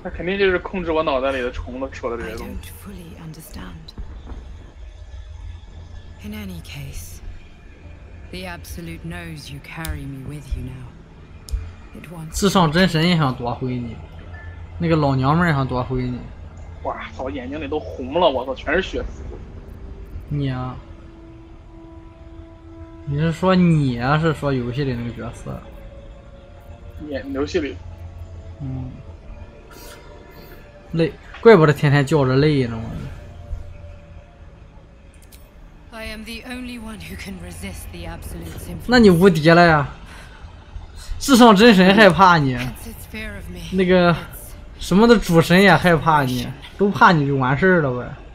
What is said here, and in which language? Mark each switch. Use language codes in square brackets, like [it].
[zh] 他肯定就是控制我脑袋里的虫子说的这些东西。 [en] I don't fully understand. In any case, the absolute knows you carry me with you now. It wants. [zh] 至上真神也想夺回你，那个老娘们也想夺回你。哇操！眼睛里都红了，我操，全是血丝。你啊。你是说你啊？是说游戏里那个角色？演游戏里。嗯。累，怪不得天天叫着累呢。我。 [en] I am the only one who can resist the absolute symphony. [zh] 那你无敌了呀！至上真神害怕你，那个什么的主神也害怕你，都怕你就完事儿了呗。